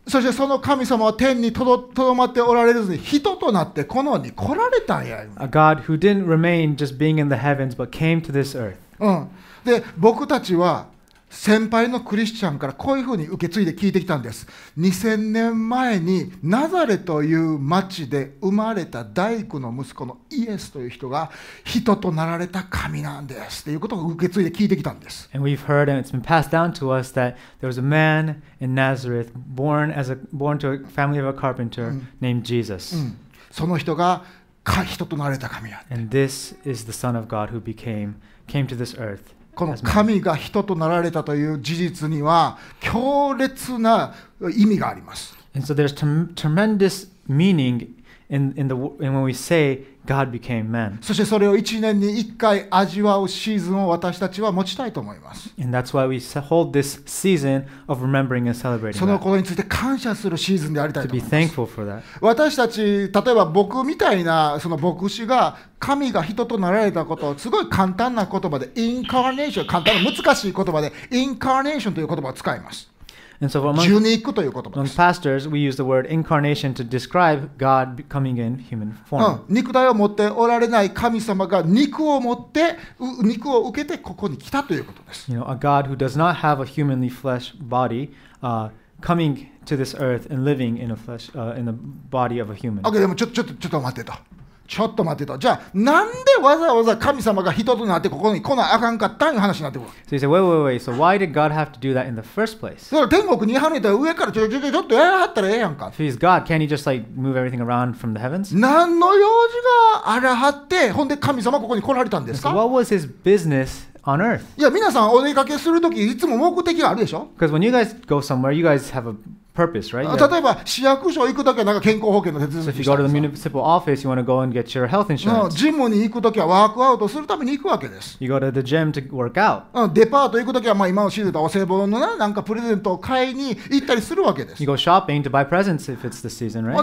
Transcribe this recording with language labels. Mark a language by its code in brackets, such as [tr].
[ja] そしてその神様は天にとどまっておられずに人となってこの世に来られたんや。 [en] A God who didn't remain just being in the heavens but came to this earth. [ja] で、僕たちは先輩のクリスチャンからこういうふうに受け継いで聞いてきたんです。 2000年前にナザレという町で生まれた大工の息子のイエスという人が人となられた神なんですということを受け継いで聞いてきたんです。 [en] And we've heard and it's been passed down to us that there was a man in Nazareth born to a family of a carpenter named Jesus. [ja] その人が人となられた神や。 [en] And this is the Son of God who came to this earth. [ja] この神が人となられたという事実には強烈な意味があります。 [en] And so there's tremendous meaning in when we say God became man. [ja] そしてそれを1年に1回味わうシーズンを私たちは持ちたいと思います。 [en] And that's why we hold this season of remembering and celebrating. [ja] そのことについて感謝するシーズンでありたいと思います。 [en] To be thankful for that. [ja] 私たち例えば僕みたいなその牧師が神が人となられたことをすごい簡単な言葉でインカーネーション、簡単な難しい言葉でインカーネーションという言葉を使います。 [en] And so among, among pastors, we use the word incarnation to describe God coming in human form. [ja] 肉体を持っておられない神様が肉を持って肉を受けてここに来たということです。 [en] You know, a God who does not have a humanly flesh body, coming to this earth and living in a flesh, in the body of a human. [ja] Okay, でもちょっと待ってと。ちょっと待ってと。じゃあなんでわざわざ神様が人となってここに来なあかんかったんいう話になってくる。 [en] So you say, wait. So why did God have to do that in the first place? [ja] だから天国に跳ねたら上からちょっとやらはったらええやんか。 [en] If he's God, can't he just like move everything around from the heavens? [ja] 何の用事があらはって、ほんで神様ここに来られたんですか。 [en] So what was his business on earth? [ja] いや皆さんお出かけするときいつも目的があるでしょ。 [en] Because when you guys go somewhere, you guys have aapurpose, right? [ja] 例えば市役所行くときはなんか健康保険の手続きしたんです [en] か? So if you go to the municipal office, you want to go and get your health insurance. [ja] ジムに行くときはワークアウトするために行くわけです。 [en] You go to the gym to work out. [ja] デパート行くときはまあ今の知ってたお歳暮のなんかプレゼントを買いに行ったりするわけです。 [en] You go shopping to buy presents if it's the season, right?